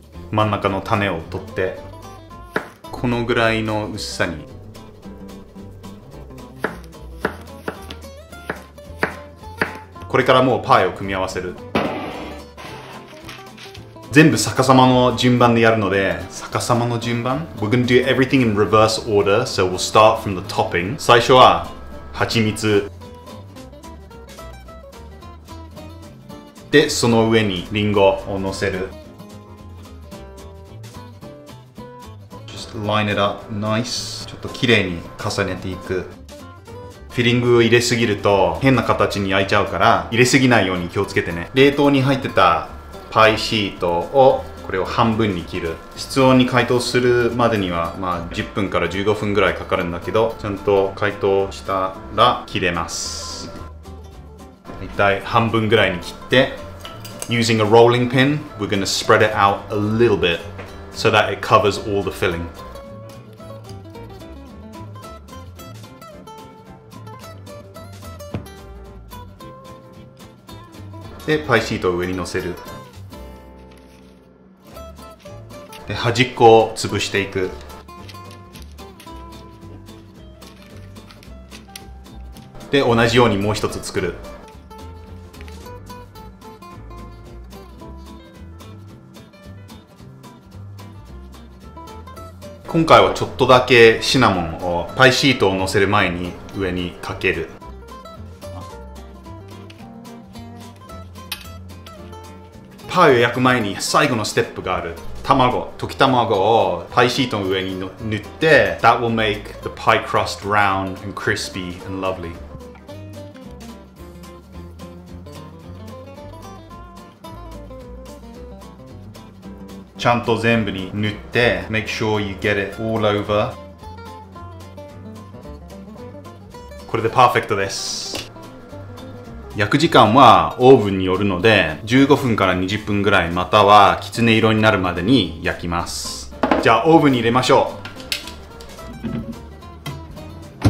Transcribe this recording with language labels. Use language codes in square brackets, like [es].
[ja] 真ん中の種を取って、このぐらいの薄さに。これからもうパイを組み合わせる。全部逆さまの順番でやるので、逆さまの順番 [en] We're gonna do everything in reverse order, so we'll start from the topping。 [ja] 最初は蜂蜜で、その上にリンゴを乗せる。 [en] Just line it up nice。 [ja] ちょっと綺麗に重ねていく。フィリングを入れすぎると変な形に焼いちゃうから、入れすぎないように気をつけてね。冷凍に入ってたパイシートをこれを半分に切る。室温に解凍するまでにはまあ10分から15分ぐらいかかるんだけど、ちゃんと解凍したら切れます。大体半分ぐらいに切って、 [en] Using a rolling pin we're gonna spread it out a little bit so that it covers all the filling。 [ja] でパイシートを上に乗せる。で、端っこを潰していく。で、同じようにもう一つ作る。今回はちょっとだけシナモンをパイシートを乗せる前に上にかける。パイを焼く前に最後のステップがある。卵、溶き卵をパイシートの上に塗って [en] That will make the pie crust round and crispy and lovely。 [ja] ちゃんと全部に塗って [en] Make sure you get it all over。 [ja] これでパーフェクトです。焼く時間はオーブンによるので15分から20分ぐらい、またはきつね色になるまでに焼きます。じゃあオーブンに入れましょう。